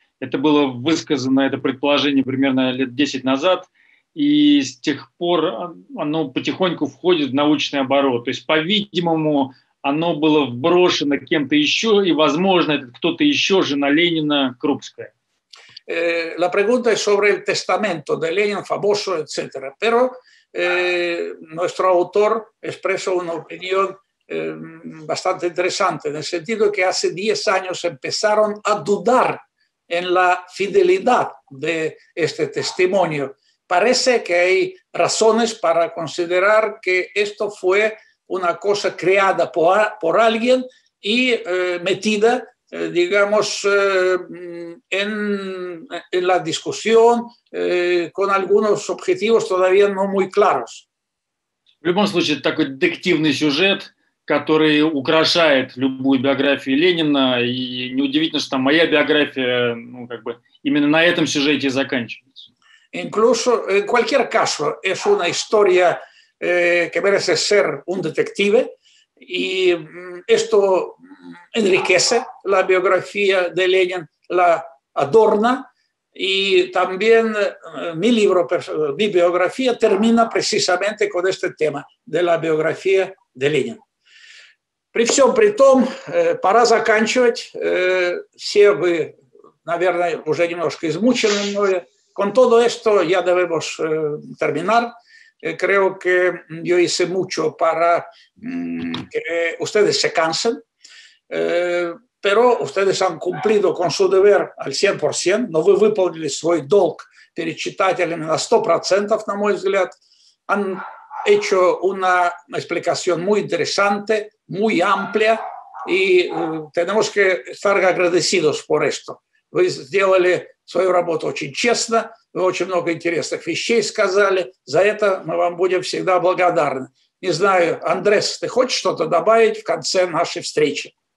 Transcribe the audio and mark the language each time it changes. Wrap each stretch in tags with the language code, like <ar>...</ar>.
<ru>Это было высказано, это предположение, примерно лет 10 назад, и с тех пор оно потихоньку входит в научный оборот. То есть, по-видимому, оно было вброшено кем-то еще, и, возможно, это кто-то еще, жена Ленина, Крупская.</ru> <es>La pregunta es sobre el testamento de Lenin, famoso, etc. Pero nuestro autor expresó una opinión bastante interesante, en el sentido que hace 10 años empezaron a dudar en la fidelidad de este testimonio. Parece que hay razones para considerar que esto fue una cosa creada por alguien y metida, digamos, en la discusión con algunos objetivos todavía no muy claros.</es> <ru>В любом случае, это такой детективный сюжет, который украшает любую биографию Ленина, и неудивительно, что там моя биография, ну, как бы, именно на этом сюжете заканчивается.</ru> <es>Incluso, en cualquier caso, es una historia que merece ser un detective, y esto enriquece la biografía de Lenin, la adorna, y también mi libro, mi biografía, termina precisamente con este tema de la biografía de Lenin.</es> <ru>При всем при том, пора заканчивать. Все вы, наверное, уже немножко измучены мной.</ru> <es>Con todo esto ya debemos terminar. Creo que yo hice mucho para que ustedes se cansen. Pero ustedes han cumplido con su deber al 100%,</es> <ru>но вы выполнили свой долг перед читателями на 100%, на мой взгляд.</ru> <es>Han hecho una explicación muy interesante, muy amplia, y tenemos que estar agradecidos por esto.</es> <ru>Вы сделали свою работу очень честно, вы очень много интересных вещей сказали. За это мы вам будем всегда благодарны. Не знаю, Андрес, ты хочешь что-то добавить в конце нашей встречи?</ru>